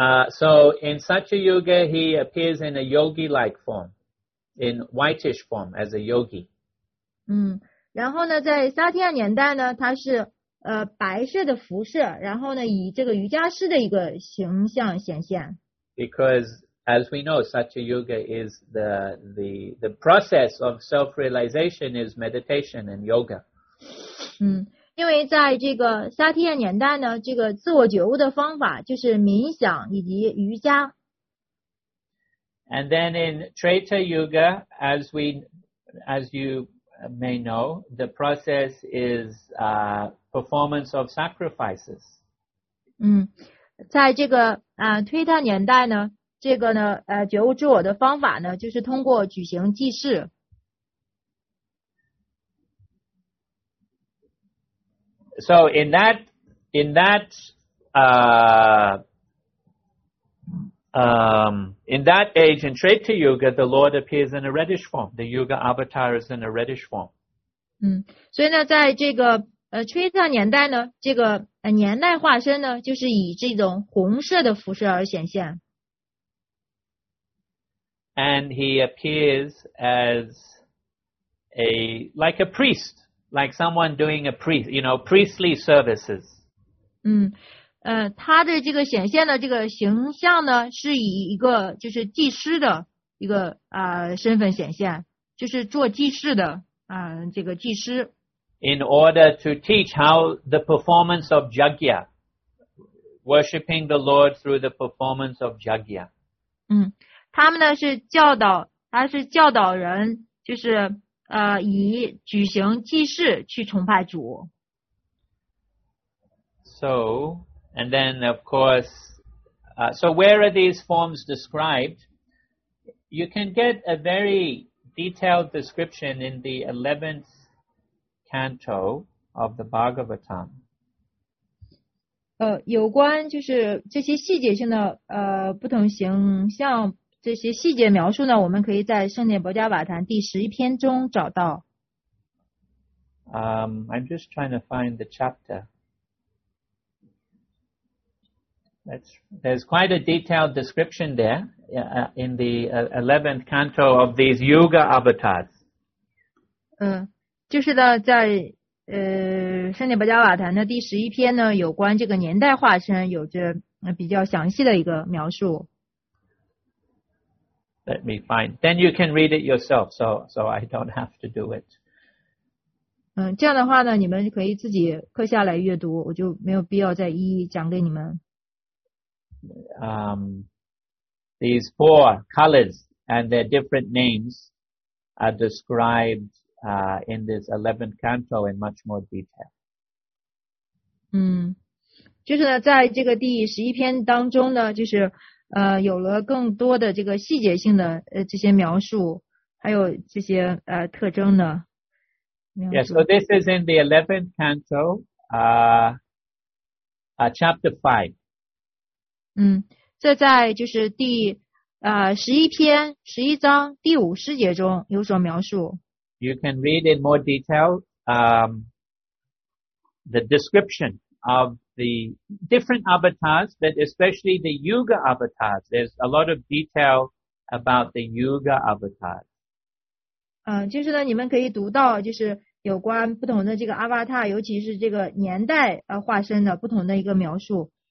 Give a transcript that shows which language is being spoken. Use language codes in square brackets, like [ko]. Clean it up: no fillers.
[en] So in Satya Yuga, he appears in a yogi-like form, in whitish form as a yogi. [zh] 然后呢，在萨提亚年代呢，他是白色的辐射，然后呢，以这个瑜伽师的一个形象显现。 [en] Because As we know, Satya Yuga is the process of self-realization is meditation and yoga. [zh] 因为在这个萨提亚年代呢，这个自我觉悟的方法就是冥想以及瑜伽。 [en] And then in Treta Yuga, as you may know, the process is performance of sacrifices. [zh] 在这个推塔年代呢。这个呢，觉悟自我的方法呢，就是通过举行祭祀。 [en] So in that, in that age in Treta Yuga, the Lord appears in a reddish form. The Yuga avatar is in a reddish form. [zh] 所以呢，在这个Treta 年代呢，这个年代化身呢，就是以这种红色的服饰而显现。 [en] And he appears as a, like a priest, like someone doing a priest, you know, priestly services. [zh] 他的这个显现的这个形象呢，是以一个就是祭师的一个身份显现，就是做祭祀的这个祭师。 [en] In order to teach how the performance of Jagya, worshipping the Lord through the performance of Jagya. [zh] 他们呢是教导，他是教导人，就是以举行祭祀去崇拜主。 [en] So, and then of course, so where are these forms described? You can get a very detailed description in the 11th canto of the Bhagavatam. [zh] 有关就是这些细节性的不同形象。这些细节描述呢，我们可以在《圣涅伯加瓦坛》第十一篇中找到。 [en] I'm just trying to find the chapter. There's quite a detailed description there in the 11th canto of these yoga avatars. [zh] 就是呢在圣涅巴加瓦坛的第十一篇呢有关这个年代化身有着比较详细的一个描述。 [en] Let me find. Then you can read it yourself, so I don't have to do it. [zh] 这样的话呢你们可以自己刻下来阅读我就没有必要再一一讲给你们。 [en] These four colors and their different names are described in this 11th canto in much more detail. [zh] 就是呢在这个第十一篇当中呢就是有了更多的这个细节性的这些描述还有这些特征呢。 [en] Yes, so this is in the 11th canto, chapter 5. [zh] 这在就是第11篇11章第五诗节中有所描述。 [en] You can read in more detail, the description of the different avatars, but especially the yuga avatars. There's a lot of detail about the yuga avatars. [zh] 就是呢你们可以读到就是有关不同的这个阿瓦塔尤其是这个年代化身的不同的一个描述。